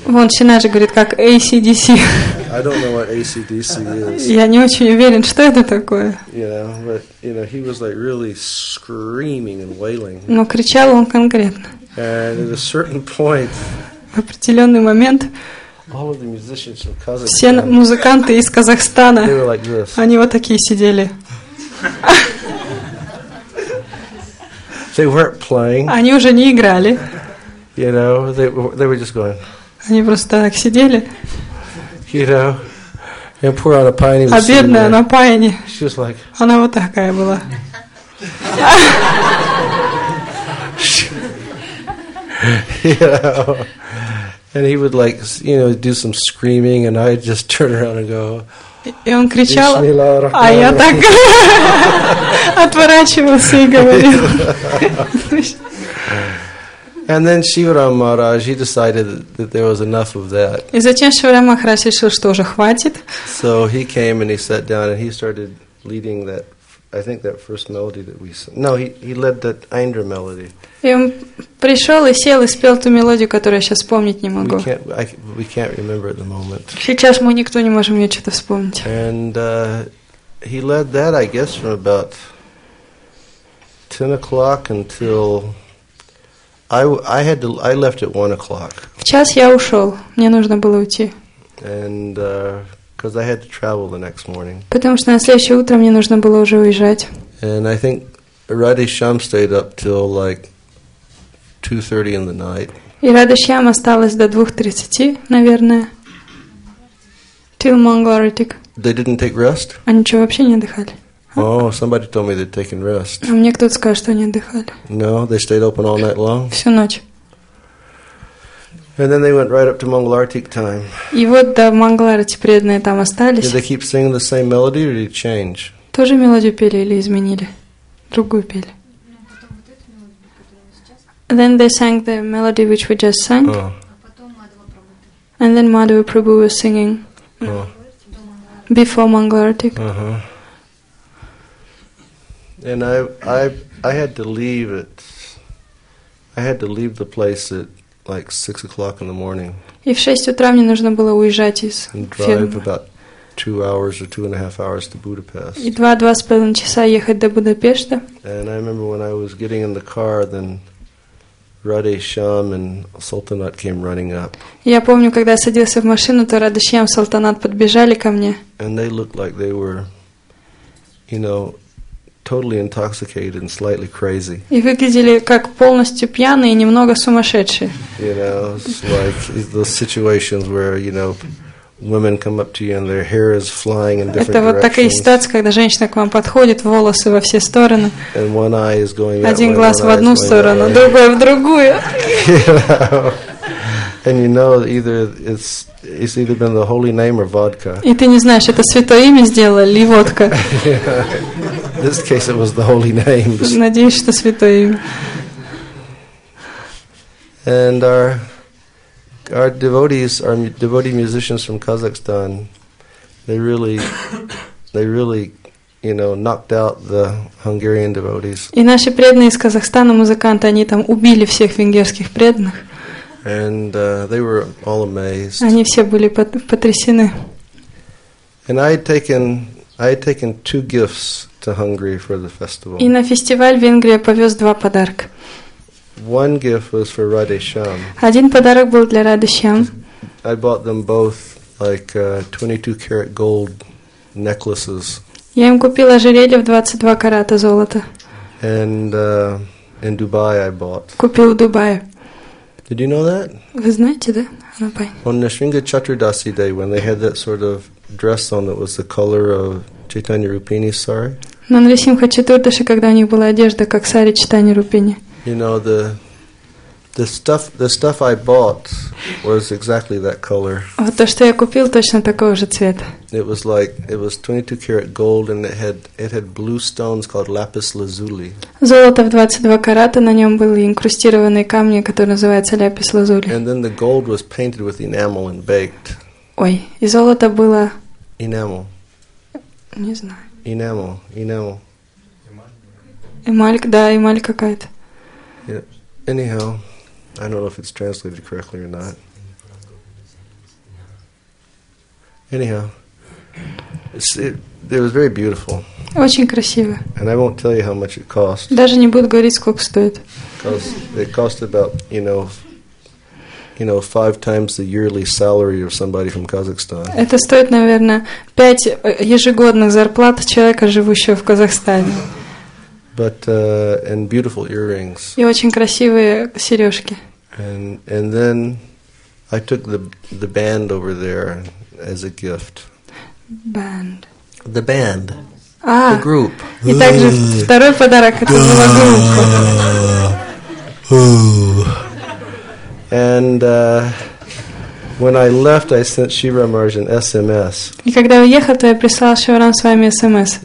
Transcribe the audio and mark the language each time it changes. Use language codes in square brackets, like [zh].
[ru] Вон Шинаджи говорит как AC/DC. [en] I don't know what AC/DC is. [ru] Я не очень уверен, что это такое. [en] You know, he was like really screaming and wailing. [ru] Но кричал он конкретно. [en] And at a certain point. [ru] В определенный момент. [en] All of the musicians from Kazakhstan. [ru] Все музыканты из Казахстана. [en] They were like this. [ru] Они вот такие сидели. [en] They weren't playing. [ru] Они уже не играли. [en] You know, they were just going. [ru] Они просто так сидели. [en] You know, and poor Anapayani was. [ru] А бедная Анапайни. [en] She was like. [ru] Она вот такая была. [en] You know, and he would like, you know, do some screaming, and I'd just turn around and go. [ru] И он кричал, а я так отворачивался и говорил. [en] And then Shivaram Maharaj, he decided that there was enough of that. [ru] И затем Шиварам Махарадж решил, что уже хватит. [en] So he came and he sat down and he started leading that, I think that first melody that we sang. No, he led that Aindra melody. [ru] И он пришел и сел и спел ту мелодию, которую я сейчас вспомнить не могу. [en] We can't remember at the moment. [ru] Сейчас мы никто не можем ее что-то вспомнить. [en] And he led that, I guess, from about 10 o'clock until. I left at 1 o'clock. [ru] В час я ушел. Мне нужно было уйти. [en] And because I had to travel the next morning. [ru] Потому что на следующее утро мне нужно было уже уезжать. [en] And I think Radhishyam stayed up till like 2:30 in the night. [ru] И Радхишьям осталась до 2:30, наверное. [en] Till Mangalaritik. They didn't take rest? [ru] Они что, вообще не отдыхали? [en] Oh, somebody told me they'd taken rest. [ru] А мне кто-то сказал, что они отдыхали. [en] No, they stayed open all night long. [ru] Всю ночь. [en] And then they went right up to Mangalarti time. [ru] И вот до Mangalarti преданные там остались. [en] Did they keep singing the same melody or did it change? [ru] Тоже мелодию пели или изменили? Другую пели. [en] And then they sang the melody which we just sang. Oh. And then Madhava Prabhu was singing before Mangalarti. Uh-huh. And I had to leave it. I had to leave the place at like 6 o'clock in the morning. [ru] И в 6 утра мне нужно было уезжать из фермы. [en] And drive about 2 hours or 2.5 hours to Budapest. [ru] И 2-2.5 часа ехать до Будапешта. [en] And I remember when I was getting in the car, then Radhishyam and Sultanat came running up. [ru] Я помню, когда я садился в машину, то Радхишьям и Султанат подбежали ко мне. [en] And they looked like they were, you know. Totally intoxicated and slightly crazy. [ru] И выглядели как полностью пьяные и немного сумасшедшие. [en] You know, it's like those situations where, you know, women come up to you and their hair is flying in different directions. [ru] Это вот такая ситуация, когда женщина к вам подходит, волосы во все стороны. [en] And one eye is going. [ru] Один глаз в одну сторону, другой в другую. [en] You know? And you know, either it's either been the holy name or vodka. [ru] И ты не знаешь, это святое имя сделало или водка. [en] In this case, it was the holy name. [ru] Надеюсь, что святое имя. [en] And our devotees, our devotee musicians from Kazakhstan, they really, you know, knocked out the Hungarian devotees. [ru] И наши преданные из Казахстана музыканты, они там убили всех венгерских преданных. [en] And they were all amazed. [ru] Они все были потрясены. [en] And I had taken two gifts to Hungary for the festival. [ru] И на фестиваль в Венгрии я повез два подарка. [en] One gift was for Radhe Shyam. [ru] Один подарок был для Радхе Шьям. [en] I bought them both like 22-karat gold necklaces. [ru] Я им купил ожерелье в 22 карата золота. [en] And in Dubai I bought. [ru] Купил в Дубае. [en] Did you know that? [ru] Вы знаете, да? [en] On Nrisimha Chaturdasi day, when they had that sort of dress on that was the color of Chaitanya Rupini's sari. [ru] На Нрисимха Чатурдаши, когда у них была одежда как сари Чайтанья Рупини. [en] You know, the stuff I bought was exactly that color. [ru] Вот то, что я купил, точно такого же цвета. [en] It was 22 karat gold, and it had blue stones called lapis lazuli. [ru] Золото в 22 карата, на нем были инкрустированные камни, которые называются лапис лазули. [en] And then the gold was painted with enamel and baked. [ru] Ой, и золото было. [en] Enamel. [ru] Не знаю. [en] Enamel. [ru] Эмаль, да, эмаль какая-то. [en] Yeah. Anyhow, I don't know if it's translated correctly or not. Anyhow, it was very beautiful. [ru] Очень красиво. [en] And I won't tell you how much it cost. [ru] Даже не буду говорить, сколько стоит. [en] Because it cost about, you know, five times the yearly salary of somebody from Kazakhstan. [ru] Это стоит, наверное, 5 ежегодных зарплат человека, живущего в Казахстане. [en] But and beautiful earrings. [ru] И очень красивые сережки. [en] And then I took the band over there as a gift. Band. The band. Ah. The group. [ru] И также второй подарок это была группа. [en] And when I left, I sent Shiva Maharaj an SMS. [ru] И когда уехал, то я прислал Шива Рам с вами SMS.